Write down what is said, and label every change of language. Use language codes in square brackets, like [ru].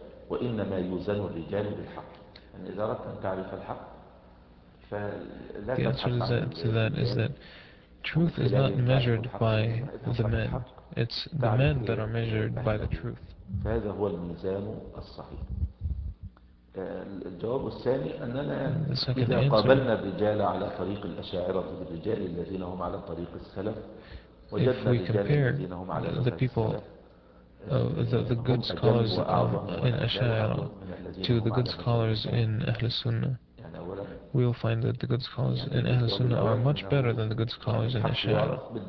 [ar] وإنما يوزن الرجال بالحق. أن إذا أردت أن تعرف الحق، فلا تفهم. [en] The answer to that is that truth is not measured by the men. It's the men that are measured by the truth. [ar] هذا هو الميزان الصحيح. الجواب الثاني أننا إذا قابلنا الرجال على طريق الأشاعرة بالرجال الذين هم على طريق السلف، وجدنا الرجال الذين هم على طريق السلف. [en] The good scholars in Ash'ari to the good scholars in Ahl Sunnah, we will find that the good scholars in Ahl Sunnah are much better than the good scholars in Ash'ari.